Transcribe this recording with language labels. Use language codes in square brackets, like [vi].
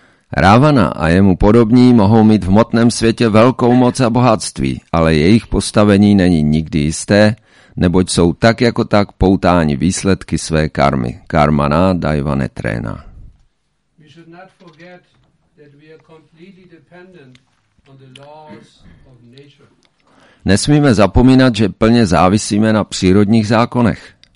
[cs] Ravana a jemu podobní mohou mít v hmotném světě velkou moc a bohatství, ale jejich postavení není nikdy jisté, neboť jsou tak jako tak poutáni výsledky své karmy. [sa] Karmana daivane trena. [en] We should not forget that we are completely dependent on the laws of nature. [cs] Nesmíme zapomínat, že plně závisíme na přírodních zákonech.